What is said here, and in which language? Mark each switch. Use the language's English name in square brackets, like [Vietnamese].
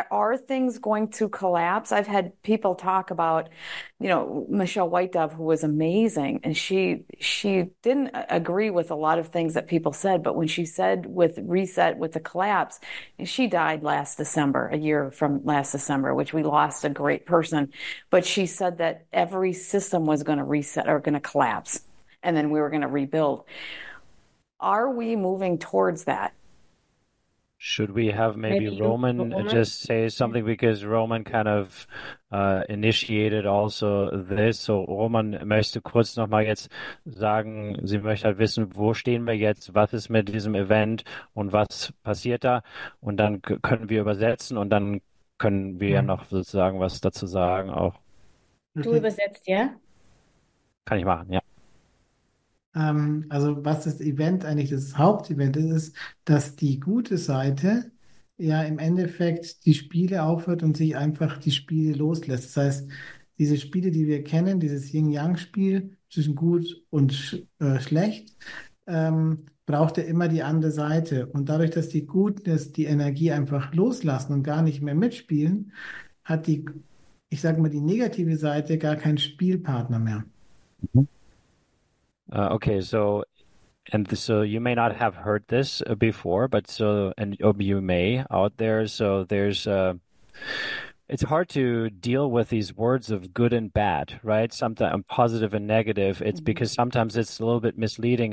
[English] Are things going to collapse? I've had people talk about, Michelle Whitedove, who was amazing, and she didn't agree with a lot of things that people said, but when she said with reset, with the collapse, and she died last December, a year from last December, which we lost a great person, but she said that every system was going to reset or going to collapse, and then we were going to rebuild. Are we moving towards that? Should we have maybe Maybe you, Roman Roman? just say something, because Roman kind of initiated also this. [German] So Roman, möchtest du kurz nochmal jetzt sagen, sie möchte halt wissen, wo stehen wir jetzt, was ist mit diesem Event und was passiert da? Und dann können wir übersetzen und dann können wir ja noch sozusagen was dazu sagen auch. Du übersetzt, ja? Kann ich machen, ja. Also was das Event eigentlich, das Hauptevent ist, dass die gute Seite ja im Endeffekt die Spiele aufhört und sich einfach die Spiele loslässt. Das heißt, diese Spiele, die wir kennen, dieses Yin-Yang-Spiel zwischen gut und schlecht, braucht ja immer die andere Seite. Und dadurch, dass die Guten die Energie einfach loslassen und gar nicht mehr mitspielen, hat die, ich sage mal, die negative Seite gar keinen Spielpartner mehr. [English] Okay, so, and so you may not have heard this before, but so, and you may out there, so there's it's hard to deal with these words of good and bad, right? Sometimes positive and negative. It's because sometimes it's a little bit misleading.